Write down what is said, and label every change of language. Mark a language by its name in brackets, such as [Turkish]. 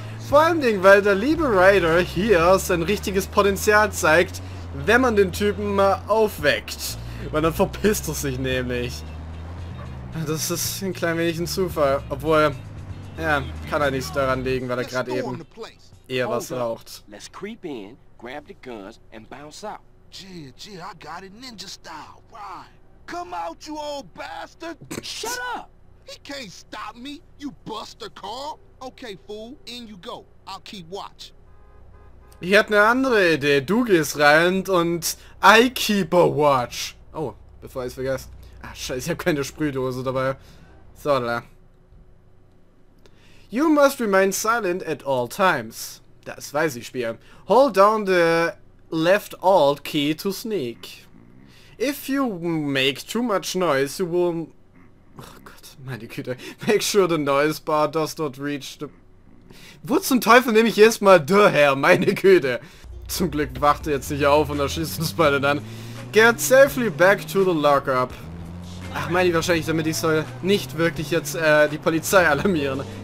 [German] Vor allen Dingen, weil der liebe Ryder hier sein richtiges Potenzial zeigt, wenn man den Typen mal aufweckt. Weil dann verpisst er sich nämlich. Das ist ein klein wenig ein Zufall. Obwohl, ja, kann er nichts daran legen, weil er gerade eben eher was raucht. [English] Let's creep in, grab the guns and bounce out. Gee, I got it ninja style. Right. Come out, you old bastard! Shut up! He can't stop me, you buster Carl! Okay, fool, in you go. I'll keep watch. [German] Ich hatte eine andere Idee. Du gehst rein und [English] I keep a watch. [German] Oh, bevor ich es vergesse. Ah, scheiße, ich habe keine Sprühdose dabei. So, da. [English] You must remain silent at all times. Das weiß ich, Spiel. Hold down the left alt key to sneak. If you make too much noise, you will... Oh Gott, meine Güte. Make sure the noise bar does not reach the... [German] Wo zum Teufel nehme ich jetzt mal der her, meine Güte. Zum Glück wacht er jetzt nicht auf und erschießt uns beide dann. Get safely back to the lockup. Ach, meine ich wahrscheinlich, damit ich soll nicht wirklich jetzt die Polizei alarmieren.